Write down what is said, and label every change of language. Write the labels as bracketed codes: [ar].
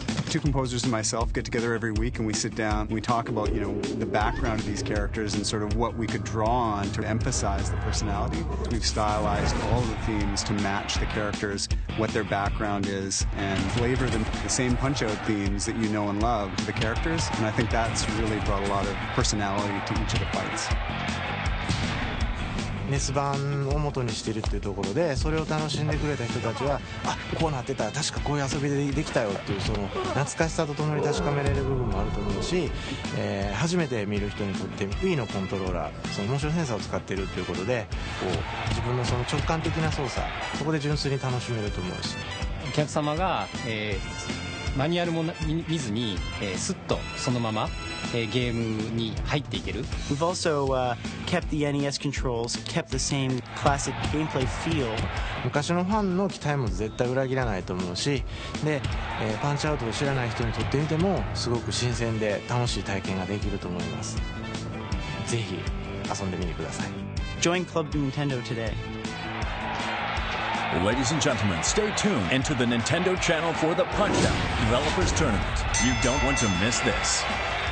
[en] Two composers and myself get together every week and we sit down and we talk about, you know, the background of these characters and sort of what we could draw on to emphasize the personality. We've stylized all the themes to match the characters, what their background is, and flavor them the same Punch-Out themes that you know and love to the characters. And I think that's really brought a lot of personality to each of the fights. [ja] NES 版を元にしているっていうところで、それを楽しんでくれた人たちは、あ、こうなってた、確かこういう遊びでできたよっていう、その懐かしさとともに確かめれる部分もあると思うし、初めて見る人にとって Wii のコントローラー、そのモーションセンサーを使っているっていうことで、こう自分のその直感的な操作、そこで純粋に楽しめると思うし、お客様が、マニュアルも見ずに、スッとそのまま、ゲームに入っていける。 [en] We've also, kept the NES controls, kept the same classic gameplay feel. [ja] 昔のファンの期待も絶対裏切らないと思うし、で、パンチアウトを知らない人にとってみてもすごく新鮮で楽しい体験ができると思います。ぜひ遊んでみてください。 [en] Join Club Nintendo today. Ladies and gentlemen, stay tuned into the Nintendo channel for the Punch-Out Developers Tournament. You don't want to miss this.